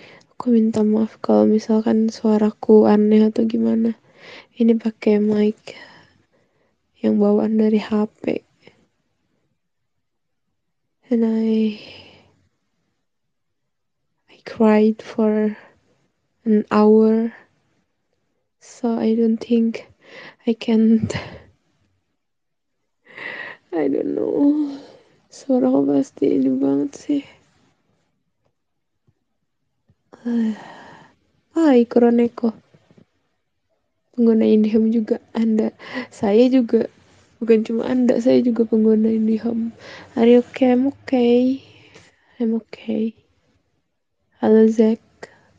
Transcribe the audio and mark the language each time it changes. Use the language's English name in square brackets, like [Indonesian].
[Indonesian] Aku minta maaf kalau misalkan suaraku aneh atau gimana. Ini pakai mic yang bawaan dari HP. [English] And I cried for an hour, so I don't think I can. I don't know. [Indonesian] Suara aku pasti ini banget sih. Hai Kroneko, pengguna IndiHome juga Anda. Saya juga, bukan cuma Anda, saya juga pengguna IndiHome. [English] Are you okay? I'm okay. [Indonesian] I'm okay. Halo Zack.